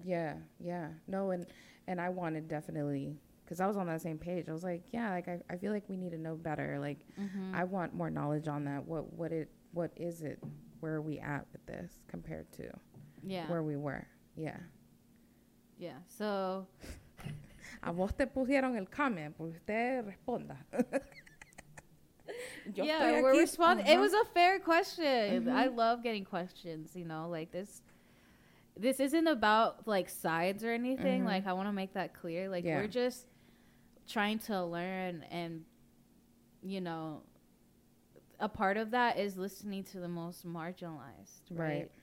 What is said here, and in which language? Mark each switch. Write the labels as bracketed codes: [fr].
[en] Yeah. Yeah. No. And I wanted definitely, because I was on that same page. I was like, yeah, like I feel like we need to know better. Like I want more knowledge on that. What is it? Where are we at with this compared to where we were? Yeah. Yeah. So. [es] A vos te pusieron el comment, pues usted responda. [en] We're responding. Uh-huh. It was a fair question. Mm-hmm. I love getting questions, you know, like this isn't about like sides or anything. Mm-hmm. Like I want to make that clear. Like we're just trying to learn, and you know, a part of that is listening to the most marginalized, right?